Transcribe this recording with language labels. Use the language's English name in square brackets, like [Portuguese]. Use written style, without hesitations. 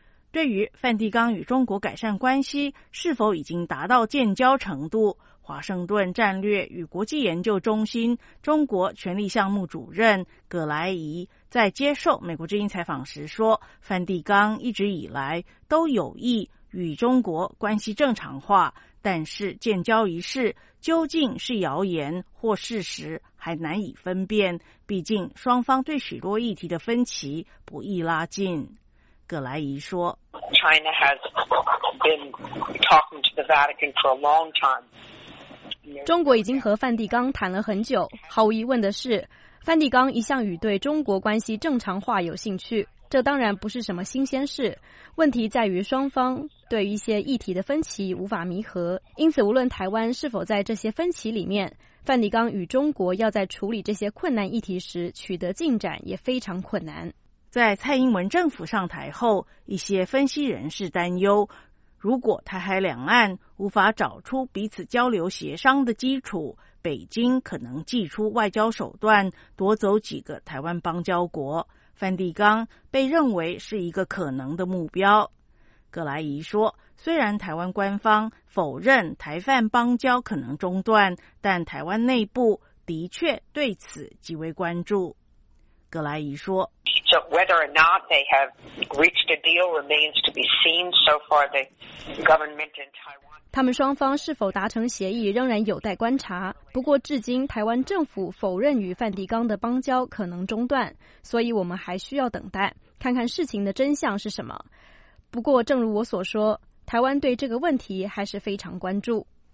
[Chinese] 对于梵蒂冈与中国改善关系是否已经达到建交程度，华盛顿战略与国际研究中心中国权力项目主任葛莱仪在接受美国之音采访时说，梵蒂冈一直以来都有意与中国关系正常化，但是建交仪式究竟是谣言或事实还难以分辨，毕竟双方对许多议题的分歧不易拉近。葛莱仪说， [English] China has been talking to the Vatican for a long time. [Chinese] 中国已经和梵蒂冈谈了很久，毫无疑问的是，梵蒂冈一向与对中国关系正常化有兴趣，这当然不是什么新鲜事，问题在于双方对于一些议题的分歧无法弥合，因此无论台湾是否在这些分歧里面，梵蒂冈与中国要在处理这些困难议题时取得进展也非常困难。在蔡英文政府上台后，一些分析人士担忧，如果台海两岸无法找出彼此交流协商的基础，北京可能祭出外交手段夺走几个台湾邦交国，梵蒂冈被认为是一个可能的目标。葛莱仪说，虽然台湾官方否认台梵邦交可能中断，但台湾内部的确对此极为关注。格莱伊说。 [English] So whether or not they have reached a deal remains to be seen. So far, the government in Taiwan. [Chinese] 他们双方是否达成协议仍然有待观察。不过，至今台湾政府否认与梵蒂冈的邦交可能中断，所以我们还需要等待，看看事情的真相是什么。不过，正如我所说，台湾对这个问题还是非常关注。